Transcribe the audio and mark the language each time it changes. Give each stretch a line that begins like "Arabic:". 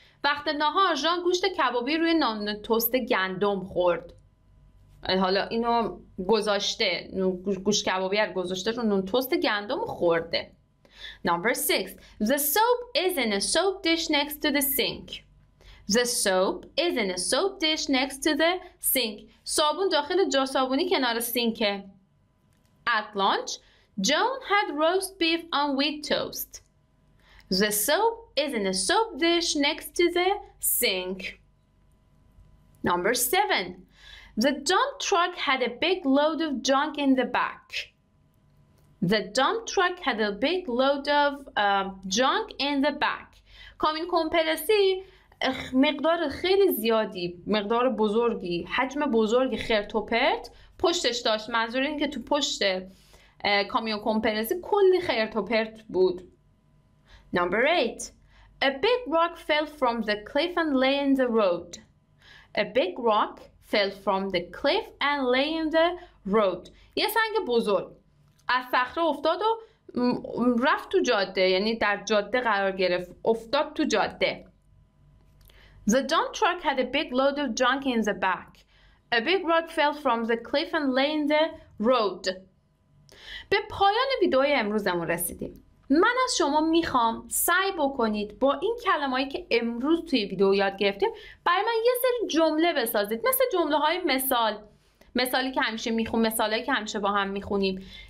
Persian: وقت نهار جان گوشت کبابی روی نان توست گندم خورد. حالا اینو گذاشته، گوشت کبابی رو گذاشته رو نان توست گندم خورده.
English: Number 6. The soap is in a soap dish next to the sink. The soap is in a soap dish next to the sink.
Persian: صابون داخل جا صابونی کنار سینکه.
English: At lunch, Joan had roast beef on wheat toast. The soap is in a soap dish next to the sink. Number 7. The dump truck had a big load of junk in the back. The dump truck had a big load of junk in the back.
Persian: کامیون کمپرسی مقدار خیلی زیادی، مقدار بزرگی، حجم بزرگی خرت و پرت پشتش داشت. منظور این که تو پشت کامیون کمپرسی کلی خرت و پرت بود.
English: Number 8. A big rock fell from the cliff and lay in the road. A big rock fell from the cliff and lay in the road.
Persian: یه سنگ بزرگ از صخره افتاد و رفت تو جاده، یعنی در جاده قرار گرفت، افتاد تو جاده.
English: The dump truck had a big load of junk in the back. A big rock fell from the cliff and lay in the road.
Persian: به پایان ویدئوی امروزمون رسیدیم. من از شما میخوام سعی بکنید با این کلمه‌ای که امروز توی ویدئو یاد گرفتیم برای من یه سری جمله بسازید، مثل جمله‌های مثال، مثالی که همیشه میخونم، مثالی که همیشه با هم میخونیم.